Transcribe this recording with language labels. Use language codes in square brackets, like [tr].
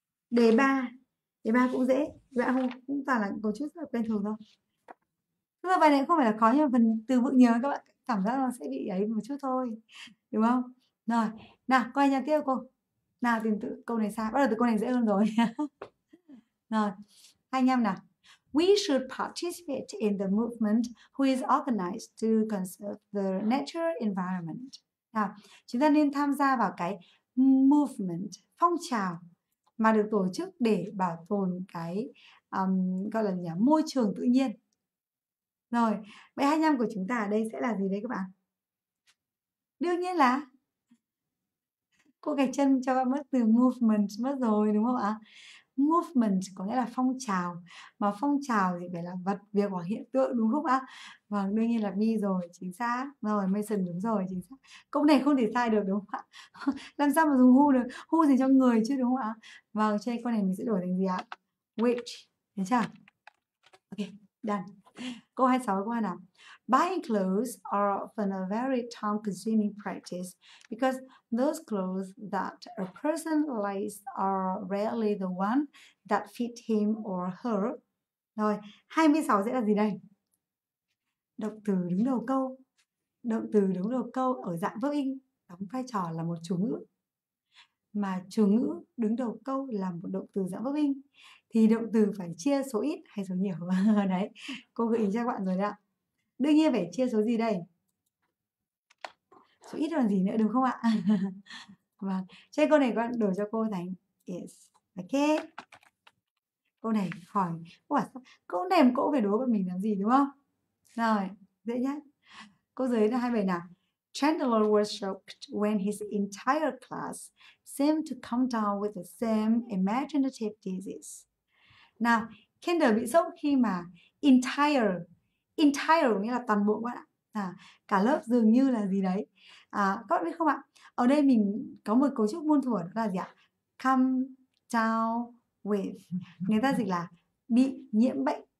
[vi] Đề ba cũng dễ, dạ không, cũng toàn là câu chữ rất là quen thuộc thôi. Tức là bài này không phải là khó nhưng mà phần từ vựng nhớ các bạn cảm giác nó sẽ bị ấy một chút thôi, đúng không? Rồi, nào, quay nhà tiếp cô. Nào, tìm từ câu này sao? Bắt đầu từ câu này dễ hơn rồi. Rồi, 25 nào. [en] We should participate in the movement who is organized to conserve the natural environment. [vi] À, chúng ta nên tham gia vào cái movement, phong trào mà được tổ chức để bảo tồn cái gọi là nhà môi trường tự nhiên. Rồi, bài 25 của chúng ta ở đây sẽ là gì đấy các bạn? Đương nhiên là cô gạch chân cho bạn mất từ movement mất rồi đúng không ạ? Movement có nghĩa là phong trào, mà phong trào thì phải là vật, việc hoặc hiện tượng đúng không ạ? Vâng, đương nhiên là B rồi, chính xác. Rồi, Mason đúng rồi, chính xác. Câu này không thể sai được đúng không ạ? Làm sao mà dùng who được? Who dành cho người chứ đúng không ạ? Vâng, cho nên câu này mình sẽ đổi thành gì ạ? Which, đúng chưa? Ok, done. Câu 26 của anh ạ. [en] Buying clothes are often a very time-consuming practice because those clothes that a person likes are rarely the one that fit him or her. [vi] Rồi, 26 sẽ là gì đây? Động từ đứng đầu câu. Động từ đứng đầu câu ở dạng vô in đóng vai trò là một chủ ngữ. Mà chủ ngữ đứng đầu câu là một động từ dạng vô in thì động từ phải chia số ít hay số nhiều. Đấy, cô gợi ý cho các bạn rồi đấy ạ. Đương nhiên phải chia số gì đây? Số ít còn gì nữa đúng không ạ? Vâng. Cho nên câu này con đổi cho cô thành yes. Ok. Câu này hỏi câu này mà cô phải đố với mình làm gì đúng không? Rồi, dễ nhá. Câu dưới là 27 nào. [en] Chandler was shocked when his entire class seemed to come down with the same imaginative disease. [vi] Nào, Kendall bị sốc khi mà entire nghĩa là toàn bộ các bạn ạ. À, cả lớp dường như là gì đấy. À, các bạn biết không ạ? Ở đây mình có một cấu trúc môn thuở là gì ạ? [en] Come down with. [vi] Người ta dịch là bị nhiễm bệnh.